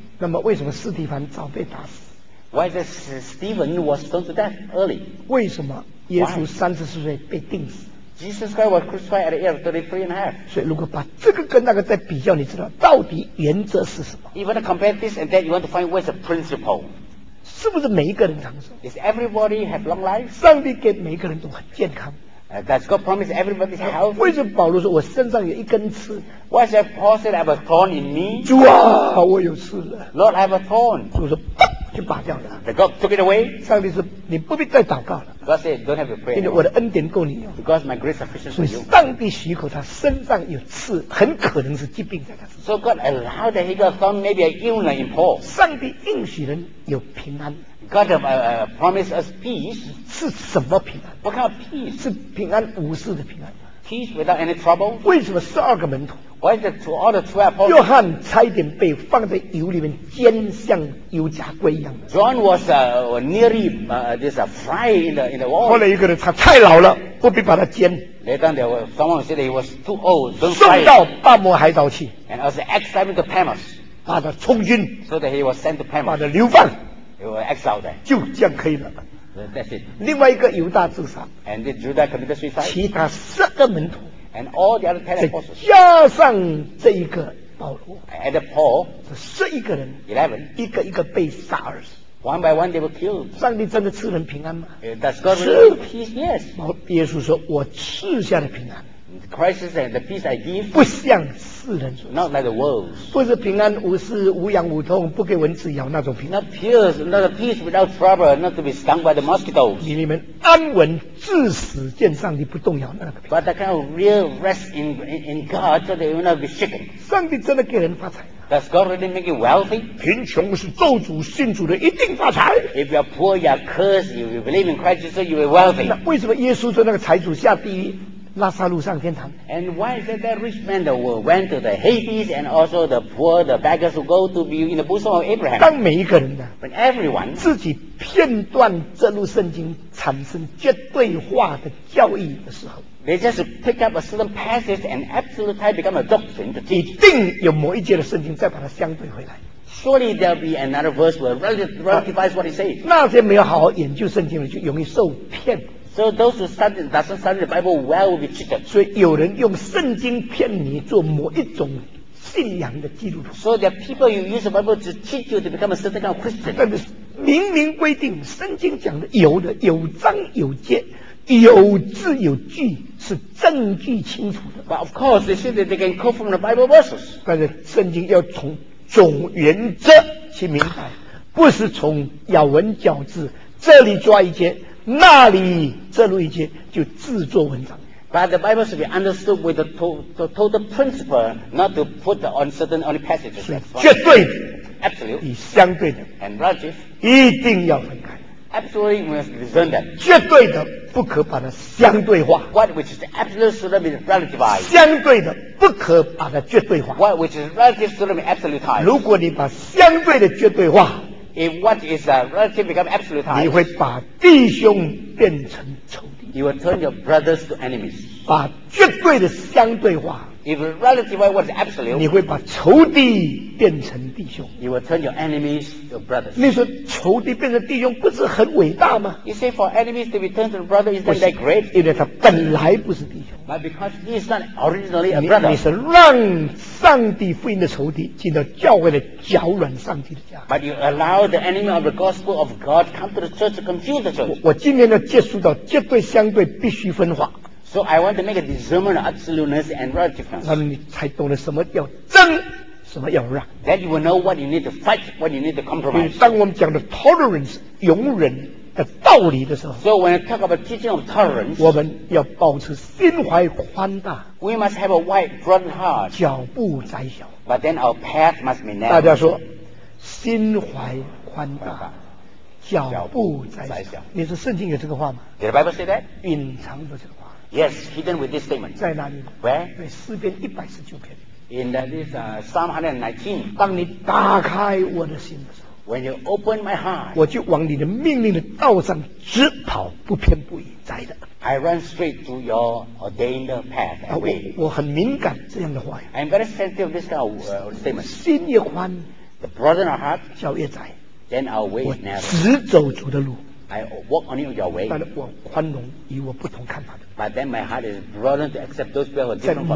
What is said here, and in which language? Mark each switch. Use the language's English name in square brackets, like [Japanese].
[Chinese] 那么为什么斯蒂凡早被打死 [English] ？Why the Stephen was stoned to death early？ [Chinese] 为什么耶稣34岁被钉死 [English] ？Jesus Christ was crucified at the age of 33 and a half。 [Chinese] 所以如果把这个跟那个再比较，你知道到底原则是什么 [English] ？You want to compare this and that? You want to find what's the principle？ [Chinese] 是不是每一个人长寿 [English] ？Is everybody have long life？ [Chinese] 上帝给每一个人都很健康。 [English] Does God promise everybody's health? [Chinese] 为什么保罗说我身上有一根刺 [English] ？Why does Paul say I have a thorn in me? [Chinese] 主啊，我有刺了。 [English] Lord, I have a thorn. [Chinese] 主说，砰，就拔掉了。 [English] The God took it away. [Chinese] 上帝说，你不必再祷告了。 [English] God said, don't have to pray. [Chinese] 因为我的恩典够你用。 [English] Because my grace sufficient for you. [Chinese] 所以上帝许可他身上有刺，很可能是疾病在他身上。 [English] So God allowed that he got thorn, maybe a illness in Paul. [Chinese] 上帝应许人有平安。 [English] God have promised us peace. [Chinese] 是什么平安 [English] ？What kind of peace? [Chinese] 是平安无事的平安。 [English] Peace without any trouble. [Chinese] 为什么十二个门徒 [English] ？Why the two other 12 apostles? [Chinese] 约翰差一点被放在油里面煎，像油炸鬼一样。 [English] John was nearly fried in the oil. [Chinese] 后来一个人他太老了，不必把他煎。 [English] Later there was someone said he was too old. [Chinese] 送到巴摩海岛去。 [English] And also exiled to Patmos. [Chinese] 把他充军。 [English] So that he was sent to Patmos. [Chinese] 把他流放。 [English] It will exile them. [Chinese] 就这样可以了。 [English] That's it. [Chinese] 另外一个犹大自杀。 [English] And the Judas committed suicide. [Chinese] 其他十个门徒。 [English] And all the other 10 apostles. [Chinese] 加上这一个保罗。 [English] And Paul. [Chinese] 是十一个人。 [English] 11. [Chinese] 一个一个被杀而死。 [English] One by one they were killed. [Chinese] 上帝真的赐人平安吗？ [English] Does God give peace? Yes. [Chinese] 耶稣说：“我赐下的平安。” [English] Christ says the peace I give. [Chinese] 不像世人所。 [English] Not like the world. [Chinese] 不是平安无事、无痒无痛、不给蚊子咬那种平安。 [English] Not peace, not a peace without trouble, not to be stung by the mosquitoes. [Chinese] 你们安稳至死见上帝不动摇那个平安。 [English] But that kind of real rest in God, so they will not be shaken. [Chinese] 上帝真的给人发财。 [English] Does God really make you wealthy? [Chinese] 贫穷是咒诅，信主的一定发财。 [English] If you're poor, you're cursed. If you believe in Christ, you say you are wealthy. [Chinese] 那为什么耶稣说那个财主下地狱？拉撒路上天堂。 [English] And why is that rich man that went to the Hades and also the poor, the beggars who go to be in the bosom of Abraham? [Chinese] 当每一个人呢 [English] ，when everyone [Chinese] 自己片段摘录圣经，产生绝对化的教义的时候 [English] ，they just pick up a certain passage and absolute type become a doctrine. [Chinese] 一定有某一节的圣经再把它相对回来。 [English] Surely there'll be another verse where relativize what he says. [Chinese] 那些没有好好研究圣经的，就容易受骗。 [English] So those who study doesn't study the Bible well will be cheated. [Chinese] 所以有人用圣经骗你做某一种信仰的基督徒。 [English] So there are people who use the Bible to cheat you to become a certain kind of Christian. [Chinese] 但是明明规定圣经讲的有的有章有节，有字有句，是证据清楚的。 [English] But of course they say that they can quote from the Bible verses. [Chinese] 但是圣经要从总原则去明白，不是从咬文嚼字，这里抓一节，那里摘录一节，就自作文章。 [English] But the Bible should be understood with the total principle, not to put on certain only passages. [Chinese] 绝对的 [English] ，absolute， [Chinese] 与相对的 [English] ，and relative， [Chinese] 一定要分开。 [English] Absolutely must discern that. [Chinese] 绝对的不可把它相对化。 [English] What which is absolute should not be relativized. [Chinese] 相对的不可把它绝对化。 [English] What which is relative should not be absolutized. [Chinese] 如果你把相对的绝对化 [English] ，if what is a relative become absolutized， [Chinese] 你会把弟兄变成仇敌。 [English] You will turn your brothers to enemies. [Chinese] 把绝对的相对化 [English] ，if relativize what is absolute， [Chinese] 你会把仇敌变成弟兄。 [English] You will turn your enemies to brothers. [Chinese] 你说仇敌变成弟兄不是很伟大吗 [English] ？You say for enemies to be turned to brother isn't that great? [Chinese] 因为他本来不是弟兄。 [English] But because he is not originally a brother. [Chinese] 你是让上帝福音的仇敌进到教会来搅乱上帝的家。 [English] But you allow the enemy of the gospel of God come to the church to confuse the church. [Chinese] 我今天要结束到绝对相对必须分化。 [English] So I want to make a discernment of absoluteness and relativeness. [Chinese] 那么你才懂得什么叫争。什么要让 [English] ？Then you will know what you need to fight, what you need to compromise. [Chinese] 当我们讲的 tolerance 容忍的道理的时候 [English] ，So when I talk about teaching of tolerance, [Chinese] 我们要保持心怀宽大 [English] ，We must have a wide, broad heart. [Chinese] 脚步窄小 [English] ，But then our path must be narrow. [Chinese] 大家说，心怀宽大，脚步窄小。你说圣经有这个话吗 [English] ？Did the Bible say that? [Chinese] 隐藏着这个话。 [English] Yes, hidden with this statement. [Chinese] 在哪里 [English] ？Where? [Chinese] 在诗篇一百十九篇。 [English] In that is Psalm 119. [Chinese] 当你打开我的心的时候 [English] ，When you open my heart， [Chinese] 我就往你的命令的道上直跑，不偏不倚，在的。 [English] I run straight to your ordained path. [Chinese] 我很敏感这样的话语。 [English] I'm very sensitive of this kind of statement. [Chinese] 心越宽 [English] ，The broader our heart， [Chinese] 脚越窄 [English] ，Then our way is narrow. [Chinese] 我直走主的路。 [English] I walk on your way. [Chinese] 但我宽容与我不同看法的。 [English] But then my heart is broadened to accept those people who are different from me.